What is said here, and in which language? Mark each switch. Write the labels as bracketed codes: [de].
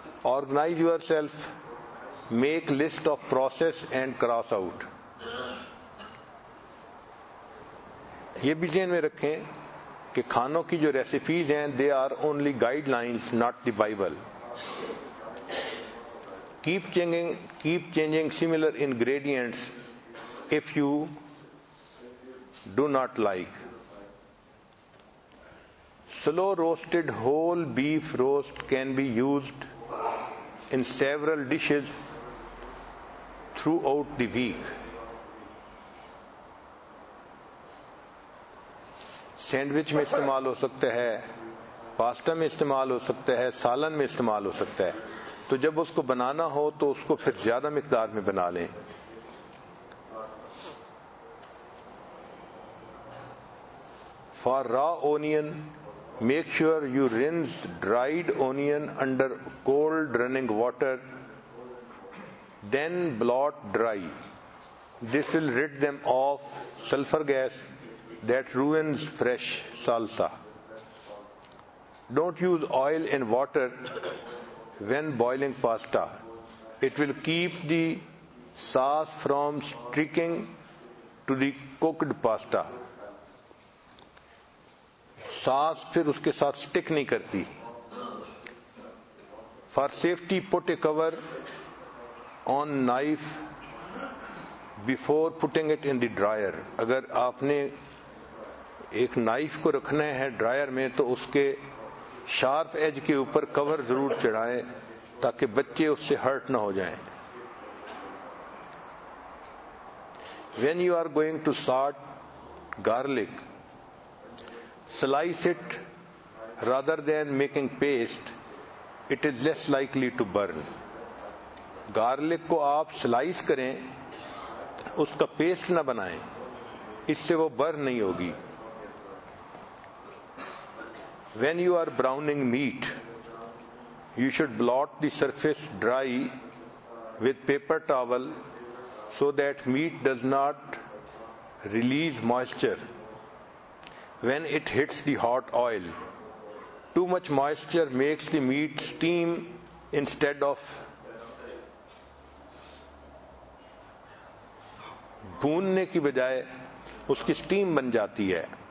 [en] Organize yourself, make list of process and cross out. [ur] یہ بھی ذہن میں رکھیں کہ کھانوں کی جو ریسیپیز ہیں [en] They are only guide lines, not the Bible. Keep changing similar ingredients if you do not like. Slow roasted whole beef roast can be used in several dishes throughout the week. [ur] Sandwich میں استعمال ہو سکتا ہے, pasta میں استعمال ہو سکتا ہے, سالن میں استعمال ہو سکتا ہے. تو جب اس کو بنانا ہو تو اس کو پھر زیادہ مقدار میں بنا لیں. [en] For raw onion, make sure you rinse dried onion under cold running water, then blot dry. This will rid them of sulfur gas that ruins fresh salsa. Don't use oil in water when boiling pasta. It will keep the sauce from streaking to the cooked pasta. [ur] ساس پھر اس کے ساتھ stick نہیں کرتی. [en] For safety put a cover on knife before putting it in the dryer. [ur] اگر آپ نے ایک نائف کو رکھنا ہے ڈرائر میں تو اس کے شارپ ایج کے اوپر کور ضرور چڑھائیں تاکہ بچے اس سے ہرٹ نہ ہو جائیں. [en] When you are going to sauté garlic, slice it rather than making paste. It is less likely to burn. [ur] Garlic کو آپ سلائس کریں, اس کا پیسٹ نہ بنائیں, اس سے وہ برن نہیں ہوگی. [en] When you are browning meat, you should blot the surface dry with paper towel so that meat does not release moisture. When it hits the hot oil, too much moisture makes the meat steam instead of [ur] bhoonne ki bajaye uski steam ban jati hai.